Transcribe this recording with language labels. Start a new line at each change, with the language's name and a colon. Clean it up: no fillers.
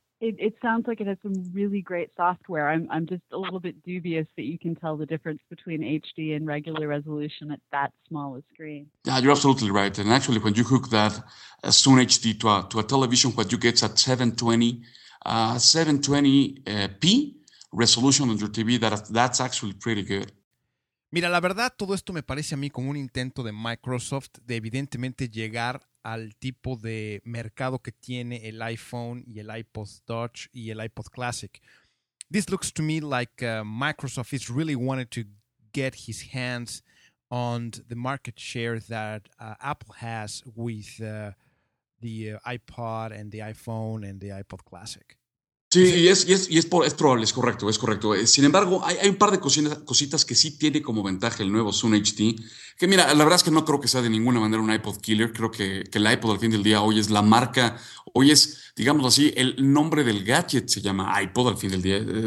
English: It sounds like it has some really great software. I'm just a little bit dubious that you can tell the difference between HD and regular resolution at that small a screen. Yeah, you're absolutely right. And actually, when you hook that Zoom HD to a television, what you get is at 720p resolution on your TV. That's actually pretty good.
Spanish: Mira, la verdad, todo esto me parece a mí como un intento de Microsoft de evidentemente llegar al tipo de mercado que tiene el iPhone y el iPod Touch y el iPod Classic.
English: This looks to me like Microsoft is really wanted to get his hands on the market share that Apple has with the iPod and the iPhone and the iPod Classic.
Spanish: Sí, es probable, es correcto. Sin embargo, hay un par de cositas que sí tiene como ventaja el nuevo Zoom HD. Que mira, la verdad es que no creo que sea de ninguna manera un iPod killer. Creo que el iPod al fin del día hoy es la marca, hoy es, digamos así, el nombre del gadget se llama iPod al fin del día.